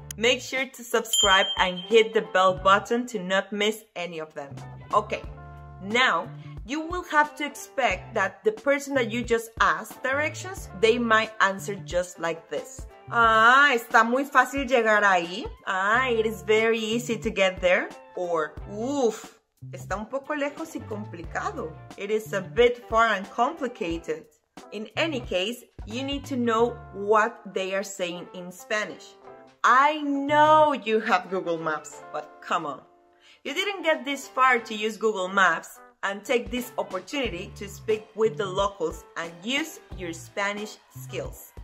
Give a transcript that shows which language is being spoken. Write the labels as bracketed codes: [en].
[en] Make sure to subscribe and hit the bell button to not miss any of them. Okay, now you will have to expect that the person that you just asked directions, they might answer just like this. [es] Ah, está muy fácil llegar ahí. [en] Ah, it is very easy to get there. [es] Or, uff, está un poco lejos y complicado. [en] It is a bit far and complicated. In any case, you need to know what they are saying in Spanish. I know you have Google Maps, but come on. You didn't get this far to use Google Maps and take this opportunity to speak with the locals and use your Spanish skills.